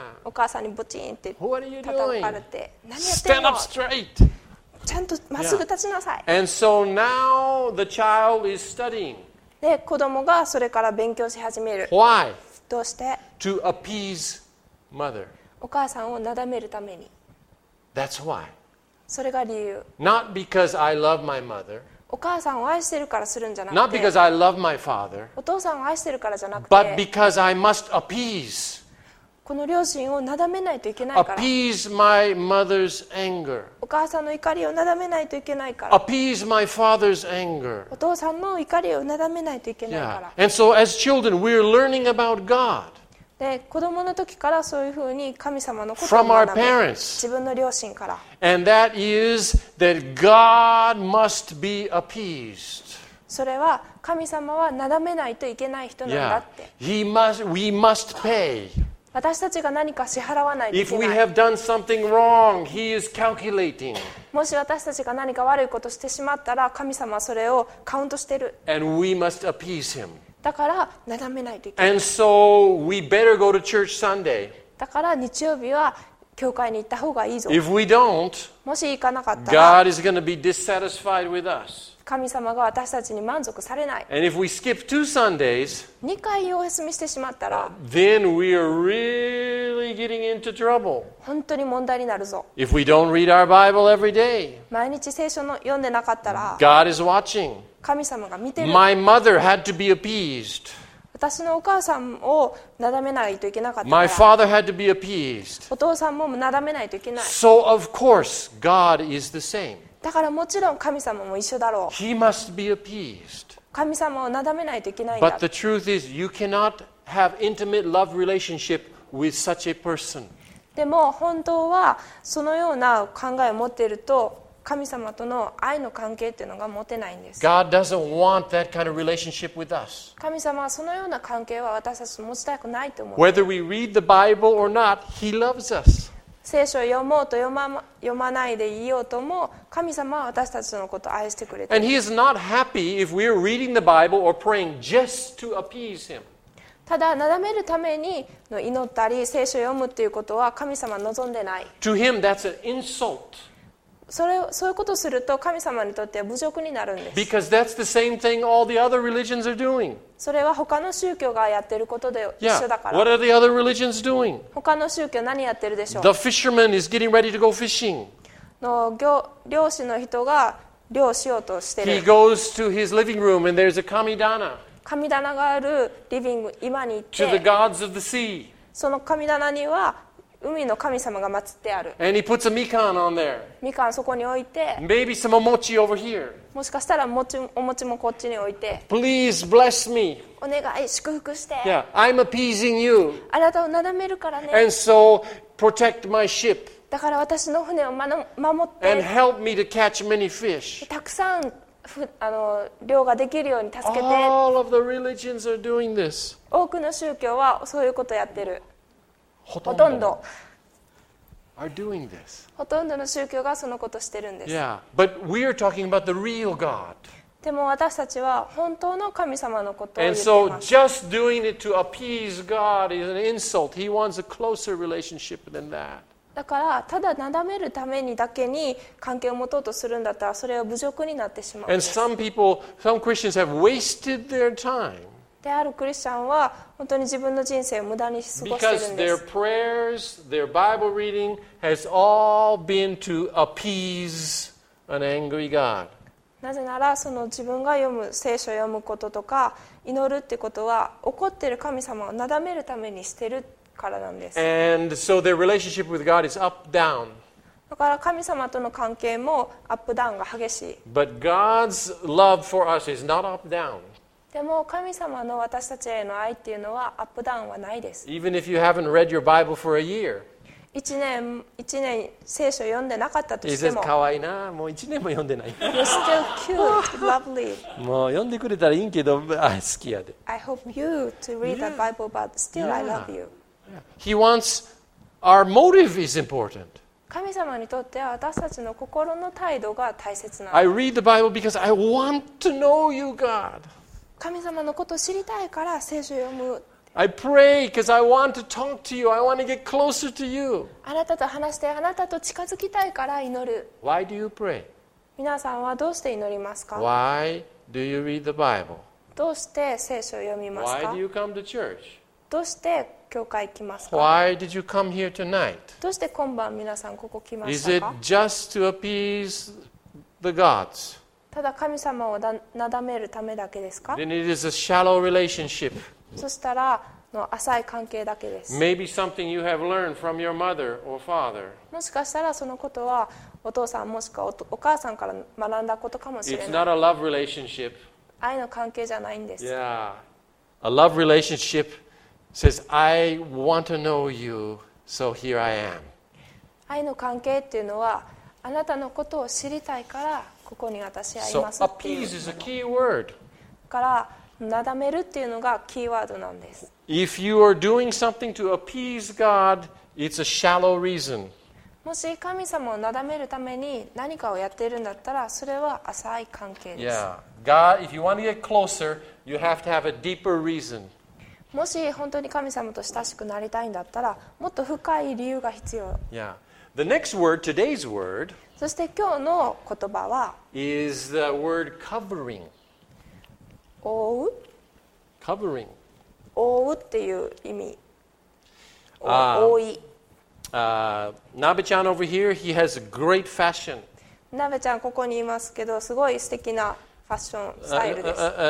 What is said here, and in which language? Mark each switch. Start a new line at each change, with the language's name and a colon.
Japanese: お母さんにブチーンって叩かれて、何やってんの。
English: Stand up straight.
Japanese: ちゃんとまっすぐ立ちなさい。
English: Yeah. And so now the child is studying.
Japanese: で、子供がそれから勉強し始める。
English: Why?
Japanese: どうして
English: ？To appease mother.
Japanese: お母さんをなだめるために。
English: That's why.
Japanese: それが理由。
English: Not because I love my mother.
Japanese: お母さんを愛してるからするんじゃなくて
English: Not because I love my father,
Japanese: お父さんを愛してるからじゃなくて
English: But because I must appease,
Japanese: この両親をなだめないといけないから
English: appease my mother's anger,
Japanese: お母さんの怒りをなだめないといけないから
English: appease my father's anger,
Japanese: お父さんの怒りをなだめないといけないから、
English: yeah. And so as children, we're learning about God.
Japanese: で子供の時からそういうふうに神様のことを学ぶ
English: From our parents.
Japanese: 自分の両親から
English: And that isThat God must be appeased.
Japanese: それは神様はなだめないといけない人なんだって。
English: Yeah. We must pay.
Japanese: 私たちが何か支払わないといけない。
English: If we have done something wrong, He is calculating.
Japanese: もし私たちが何か悪いことをしてしまったら、神様はそれをカウントしてる。
English: And we must appease Him.
Japanese: だからなだめないといけない。
English: And so we better go to church Sunday.
Japanese: だから日曜日は教会に行った方がいいぞ。
English: If we don't,
Japanese: もし行かなかったら、
English: God is going to be dissatisfied with us.
Japanese: 神様が私たちに満足されない。
English: And if we skip two Sundays,
Japanese: 2回お休みしてしまったら、
English: then we are really getting into trouble.
Japanese: 本当に問題になるぞ。
English: If we don't read our Bible every day,
Japanese: 毎日聖書の読んでなかったら、
English: God is watching.
Japanese: 神様が見てる。
English: My mother had to be appeased.
Japanese: 私のお母さんをなだめないといけなかったから。
English: My father had to be appeased.
Japanese: お父さんもなだめないといけない。
English: So of course God is the same.
Japanese: だからもちろん神様も一緒だろう。
English: He must be appeased.
Japanese: 神様をなだめないといけないんだ。
English: But the truth is, you cannot have intimate love relationship with such a person.
Japanese: でも本当はそのような考えを持っていると、神様との愛の関係っていうのが持てないんです。
English: God doesn't want that kind of relationship with us.
Japanese: 神様はそのような関係は私たちと持ちたくないと思う。
English: Whether we read the Bible or not, He loves us.
Japanese: 聖書を読もうと読まないでいようとも、神様は私たちのことを愛してくれて。
English: And He is not happy if we are reading the Bible or praying just to appease Him.
Japanese: ただなだめるために祈ったり聖書を読むっていうことは神様は望んでない。
English: To Him, that's an insult.
Japanese: そういうことをすると神様にとっては侮辱になるんです。
English: Because that's the same thing all the other religions are doing.
Japanese: それは他の宗教がやってることで一緒だから。
English: Yeah. What are the other religions doing?
Japanese: 他の宗教何やってるでしょう。
English: The fisherman is getting ready to go fishing.
Japanese: の漁師の人が漁しようとしてる。
English: He goes to his living room and there's a 神棚。
Japanese: 神棚があるリビング今に行って。
English: To the gods of the sea.
Japanese: その神棚には。海の神様が祀ってある。
English: And he puts a mikan on there.
Japanese: みかんそこに置いて。
English: Maybe some mochi over here.
Japanese: もしかしたらお餅もこっちに置いて。
English: Please bless me.
Japanese: お願い祝福して。
English: Yeah, I'm appeasing you.
Japanese: あなたをなだめるからね。
English: And so protect my ship.
Japanese: だから私の船を守って。
English: And help me to catch many fish.
Japanese: たくさん漁ができるように助けて。
English: All of the religions are doing this.
Japanese: 多くの宗教はそういうことをやってる。ほとんど。
English: are doing this.
Japanese: ほとんどの宗教がそのことをしてるんです。
English: Yeah, but we are talking about the real God.
Japanese: でも私たちは本当の神様のことを言っています
English: 。 And so just doing it to appease God is an insult. He wants a closer relationship than that.
Japanese: だからただなだめるためにだけに関係を持とうとするんだったらそれは侮辱になってしまうんです。
English: And some people, some Christians have wasted their time.
Japanese: であるクリスチャンは本当に自分の人生を無駄に過ごしているんです。
English: Because their prayers, their Bible reading has all been to appease an angry God.
Japanese: なぜならその自分が読む聖書を読むこととか祈るってことは怒っている神様をなだめるためにしているからなんです。
English: And so their relationship with God is up down.
Japanese: だから神様との関係もアップダウンが激しい。
English: But God's love for us is not up down.
Japanese: でも神様の私たちへの愛っていうのはアップダウンはないです。
English: Even if you haven't read your Bible for a year.
Japanese: 1年聖書読んでなかったとしても。
English: He says,
Japanese: かわいいな。もう1年も読んでない。
English: You're still cute, lovely.
Japanese: もう読んでくれたらいいんけど、好きやで。
English: I hope you to read the Bible, but still I love you. He wants our motive is important.
Japanese: 神様にとっては私たちの心の態度が大切なの。
English: I read the Bible because I want to know you, God.
Japanese: 神様のことを知りたいから聖書を読む。
English: I pray because I want to talk to you. I want to get closer to you.
Japanese: あなたと話してあなたと近づきたいから祈る。
English: Why do you pray?
Japanese: 皆さんはどうして祈りますか?
English: Why do you read the Bible?
Japanese: どうして聖書を読みますか?
English: Why do you come to church?
Japanese: どうして教会行きますか?
English: Why did you come here tonight?
Japanese: どうして今晩皆さんここ来ましたか?
English: Is it just to appease the gods?
Japanese: ただ神様をなだめるためだけですか?
English: Then it is a shallow relationship.
Japanese: そしたらの浅い関係だけです。
English: Maybe something you have learned from your mother or father.
Japanese: もしかしたらそのことはお父さんもしくはお母さんから学んだことかもしれない。
English: It's not a love relationship.
Japanese: 愛の関係じゃないんです。
English: Yeah. A love relationshipSays, I want to know you, so here I am.
Japanese: 愛の関係っていうのは、あなたのことを知りたいからここに私はいますっていう。
English: So appease is a key word.
Japanese: からなだめるっていうのがキーワードなんです。
English: If you are doing something to appease God, it's a shallow reason.
Japanese: もし神様をなだめるために何かをやっているんだったら、それは浅い関係です。
English: Yeah, God. If you want to get closer, you have to have a deeper reason.
Japanese: もし本当に神様と親しくなりたいんだったら、もっと深い理由が必要。
English: Yeah. The next word, today's word,
Japanese: そして今日の言葉は、
English: is the word covering.
Japanese: 覆う。
English: Covering.
Japanese: 覆うっていう意味。覆い。
English: Nabe-chan over here, he has a great fashion.
Japanese: Nabe-chan ここにいますけど、すごい素敵なファッションスタイルです。